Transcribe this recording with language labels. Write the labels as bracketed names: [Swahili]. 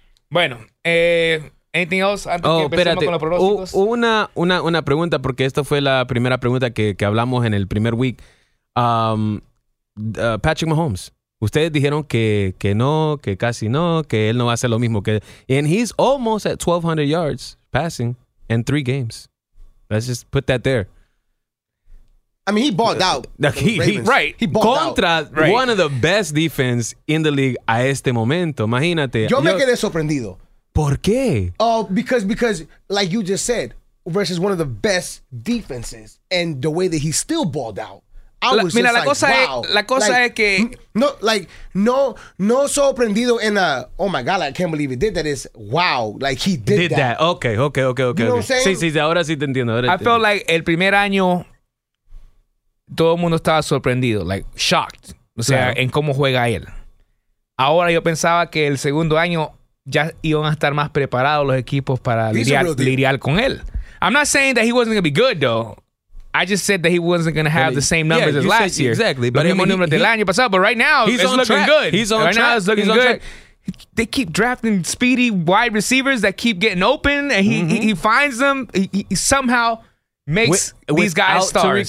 [Spanish] Bueno, [English] anything else [Spanish] antes que empecemos con los pronósticos? Una pregunta, porque esto fue la primera pregunta que hablamos en el primer week. Patrick Mahomes, ustedes dijeron que no, que casi no, que él no va a hacer lo mismo. Que, [English] and he's almost at 1,200 yards passing in three games. Let's just put that there. I mean, he balled out. He balled out. One of the best defense in the league [Spanish] a este momento. Imagínate. Yo me quedé sorprendido. ¿Por qué? [English] Oh, because like you just said, versus one of the best defenses and the way that he still balled out. [Spanish] No sorprendido en a, [English] oh my God, I can't believe he did that. It's wow, like he did that. Okay. You know what I'm saying? [Spanish] Sí, ahora sí te entiendo. [English] I felt like [Spanish] el primer año, todo el mundo estaba sorprendido, [English] like shocked, [Spanish] en cómo juega él. Ahora yo pensaba que el segundo año ya iban a estar más preparados los equipos para lidiar con él. [English] I'm not saying that he wasn't going to be good, though. I just said that he wasn't going to have the same numbers as last year. Exactly. But right now, it's looking good. They keep drafting speedy wide receivers that keep getting open, and he finds them. He somehow makes these guys stars.